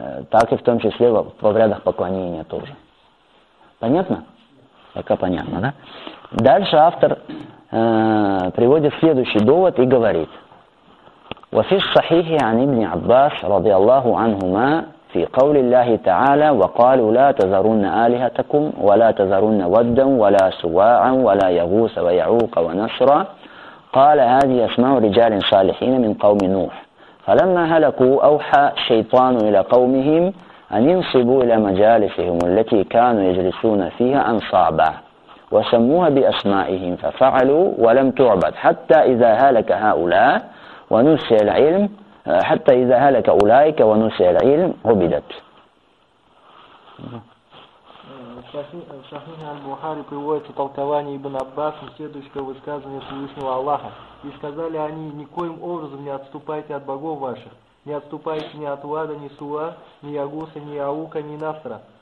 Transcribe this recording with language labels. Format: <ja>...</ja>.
<ru>Так и в том числе в обрядах поклонения тоже. Понятно? Пока понятно, да? Дальше автор приводит следующий довод и говорит.</ru> <ar>وفي الصحيح عن ابن عباس رضي الله عنهما في قول الله تعالى وقالوا لا تذرن آلهتكم ولا تذرن ودا ولا سواعا ولا يغوث ويعوق ونسرا قال هذه أسماء رجال صالحين من قوم نوح فلما هلكوا أوحى الشيطان إلى قومهم أن ينصبوا إلى مجالسهم التي كانوا يجلسون فيها أنصابا وسموها بأسمائهم ففعلوا ولم تعبد حتى إذا هلك هؤلاء ونسي العلم حتى إذا هلك أولئك ونسي العلم عبدت.</ar> <ru>Сахих аль-Бухари приводится толкование Ибн Аббаса, следующее высказывание Всевышнего Аллаха. И сказали они, никоим образом не отступайте от богов ваших, не отступайте ни от Лада, ни Суа, ни Ягуса, ни Аука, ни Насра.</ru>